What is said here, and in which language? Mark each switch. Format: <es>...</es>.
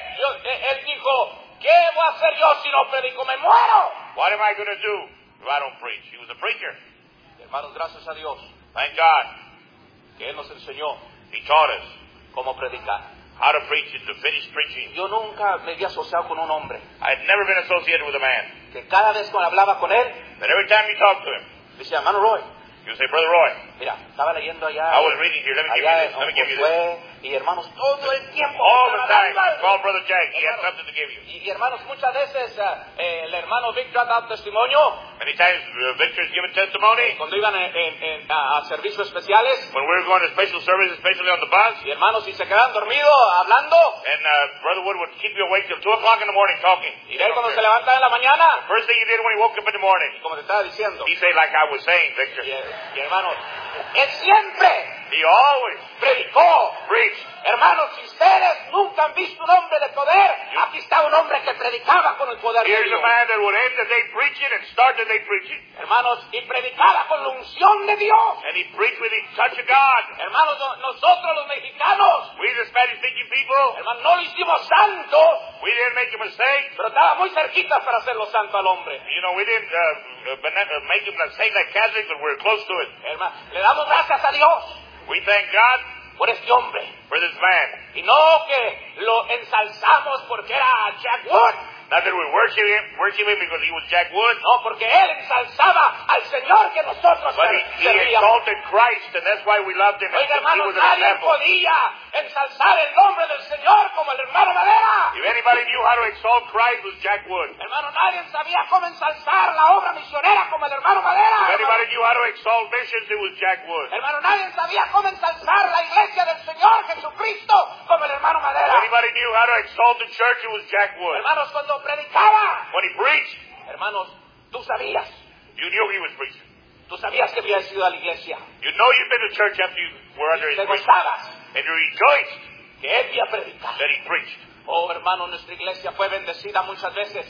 <es>Yo, él dijo, ¿qué voy a hacer yo si no predico? ¡Me muero!</es> <en>What am I going to do if I don't preach? He was a preacher.</en> <es>Hermanos, gracias a Dios.</es> <en>Thank God.</en> <es>Que él nos enseñó.</es> <en>He taught us.</en> <es>Cómo predicar.</es> <en>How to preach and to finish preaching.</en> <es>Yo nunca me había asociado con un hombre.</es> <en>I had never been associated with a man.</en> <es>Que cada vez que hablaba con él.</es> <en>That every time you talk to him.</en> <es>Dice, hermano Roy.</es> <en>You say, Brother Roy.</en> <es>Mira, estaba leyendo allá.</es> <en>I was reading here. Let me give you this. Let me give you this.</en> <es>Y hermanos, todo el tiempo.</es> <en>All the time. Call Brother Jack. He has something to give you.</en> <es>Y hermanos, muchas veces el hermano Victor ha dado testimonio.</es> <en>Many times Victor has given testimony.</en> <es>Cuando iban a servicios especiales.</es> <en>When we were going to special services, especially on the bus.</en> <es>Y hermanos, y se quedan dormidos hablando.</es> <en>And Brother Wood would keep you awake till 2 o'clock in the morning talking.</en> <es>Y él cuando se levantaba en la mañana.</es> <en>The first thing he did when he woke up in the morning.</en> <es>Como te estaba diciendo.</es> <en>He said, like I was saying, Victor.</en> <es>Y hermanos. Él siempre</es> <en>he always</en> <es>predicó.</es> <en>Preached.</en> <es>Hermanos, si ustedes nunca han visto un hombre de poder, aquí está un hombre que predicaba con el poder.</es> <en>Here's</en> <es>de Dios.</es> <en>A man that would end the day preaching and start the day preaching.</en> <es>Hermanos, y predicaba con la unción de Dios.</es> <en>And he preached with the touch of God.</en> <es>Hermanos, nosotros los mexicanos,</es> <en>we the Spanish speaking people,</en> <es>hermanos, no lo hicimos santo.</es> <en>We didn't make a mistake.</en> <es>Pero estaba muy cerquita para hacerlo santo al hombre.</es> <en>You know, we didn't make him a saint like Catholic, but we're close to it.</en> <es>Hermanos, le damos gracias a Dios.</es> <en>We thank God</en> <es>por este hombre.</es> <en>For this man.</en> <es>Y no que lo ensalzamos porque era Jack Wood.</es> <en>Not that we worship him because he was Jack Wood.</en> <es>No, porque él ensalzaba al Señor que nosotros servíamos.</es> <en>But he exalted Christ, and that's why we loved him.</en> <es>Oiga, hermano, nadie podía ensalzar el nombre del Señor como el hermano Madera.</es> <en>If anybody knew how to exalt Christ, it was Jack Wood.</en> <es>Hermano, nadie sabía cómo ensalzar la obra misionera como el hermano Madera.</es> <en>If anybody knew how to exalt missions, it was Jack Wood.</en> <es>Hermano, nadie sabía cómo ensalzar la iglesia del Señor Jesucristo como el hermano Madera.</es> <en>If anybody knew how to exalt the church, it was Jack Wood.</en> <es>Hermanos, cuando predicaba.</es> <en>When he preached.</en> <es>Hermanos, tú sabías.</es> <en>You knew he was preaching.</en> <es>Tú sabías que habías ido a la iglesia.</es> <en>You know you've been to church after you were under his preaching.</en> <es>Te gustabas.</es> <en>And you rejoiced</en> <es>que él había predicado.</es> <en>That he preached.</en> <es>Oh, hermano, nuestra iglesia fue bendecida muchas veces.</es>